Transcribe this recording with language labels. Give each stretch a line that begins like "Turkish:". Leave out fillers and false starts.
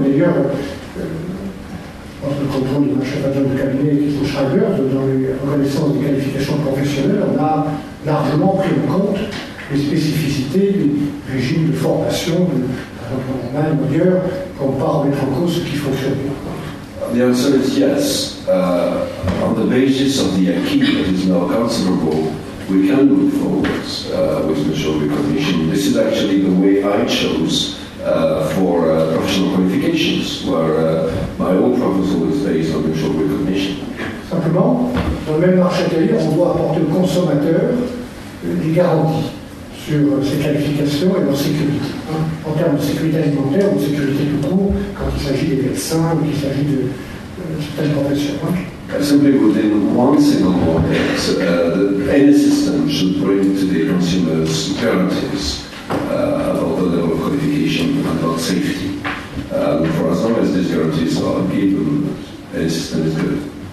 French: D'ailleurs, le contrôle de ma chef adjointe de cabinet, Christian Schreiber, dans les reconnaissances des qualifications professionnelles, on a largement pris en compte les spécificités des régimes de formation, par exemple en Allemagne, ailleurs, pour ne pas remettre en cause ce qui fonctionne bien.
English: The answer is yes. On the basis of the acquis that is now considerable, we can move forward with mutual recognition. This is actually the way I chose for professional qualifications, where my own proposal is based on mutual recognition.
French: Simplement, dans le même marché intérieur, on doit apporter aux consommateurs des garanties sur ces qualifications et leur sécurité. En termes de sécurité alimentaire ou de sécurité tout court, quand il s'agit des médecins ou qu'il s'agit
English: Simply within one single market, any system should bring to the consumers guarantees about the level of qualification and about safety. For as long as these guarantees are given, any system is good.